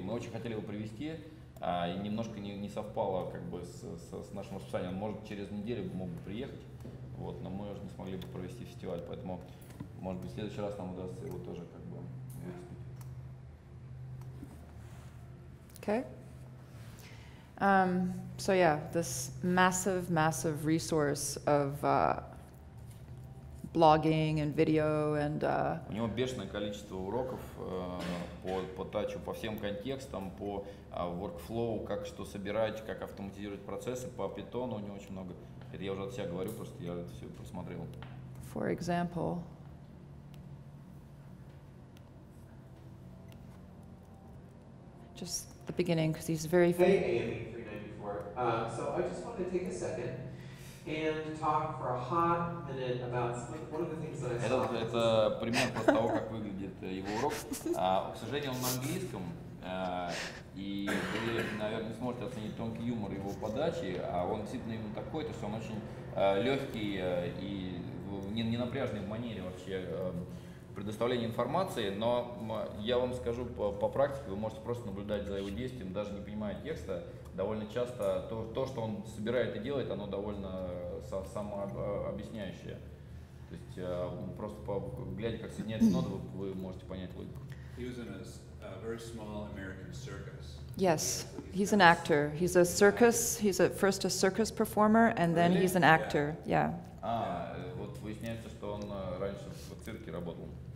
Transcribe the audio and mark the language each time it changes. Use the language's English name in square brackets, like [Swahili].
[Russian] Мы очень хотели его привести. И немножко не совпало как бы с нашим расписанием. Он может через неделю мог бы приехать, вот, но мы уже не смогли бы провести фестиваль, поэтому, может быть, в следующий раз нам удастся его тоже как бы выступить. [English] Okay. So yeah, this massive resource of blogging and video and [Russian] у него бешеное количество уроков по тачу, по всем контекстам, по workflow, как что собирать, как автоматизировать процессы, по питону у него очень много. Это я уже от себя говорю, просто я это все посмотрел. [English] For example. Just the beginning, because he's very famous. Hey, AME394. So I just wanted to take a second and talk for a hot minute about one of the things that I saw. [Russian] Это пример просто того, как выглядит его урок. К сожалению, он на английском. И вы, наверное, сможете оценить тонкий юмор его подачи, а он действительно именно такой, то есть он очень легкий и не напряжный в манере вообще предоставления информации, но я вам скажу по практике, вы можете просто наблюдать за его действием, даже не понимая текста, довольно часто то, что он собирает и делает, оно довольно самообъясняющее. То есть просто глядя, как соединяется нота, вы можете понять логику. [English] A very small American circus. Yes, he's an actor. He's a circus. He's first a circus performer, and then he's an actor. Yeah. [Russian] Вот выясняется, что он раньше в цирке работал.